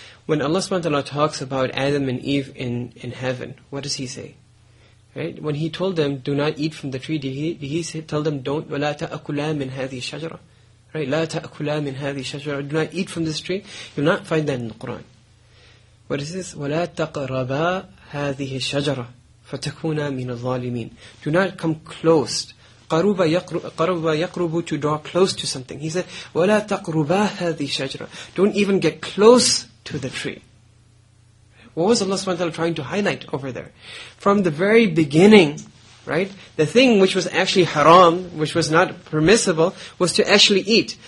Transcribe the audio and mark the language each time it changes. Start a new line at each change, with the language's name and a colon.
English: When Allah subhanahu wa ta'ala talks about Adam and Eve in heaven, what does He say? Right? When He told them, do not eat from the tree, did he tell them, don't,
Arabic: وَلَا تَأَكُلَا مِنْ هَذِي الشَّجَرَةِ
English: Right?
Arabic: لَا تَأَكُلَا مِنْ هَذِي الشَّجَرَةِ
English: Do not eat from this tree. You'll not find that in the Quran. What is this?
Arabic: وَلَا تَقْرَبَا هَذِهِ الشَّجَرَةِ فَتَكُونَا مِنَ الظَّالِمِينَ
English: Do not come close.
Arabic: قَرُبَ يَقْرُبُ
English: To draw close to something. He said,
Arabic: وَلَا تَقْرُبَا هَذِي الشَّجَرَةِ
English: Don't even get close to the tree. What was Allah subhanahu wa ta'ala trying to highlight over there? From the very beginning, right, the thing which was actually haram, which was not permissible, was to actually eat.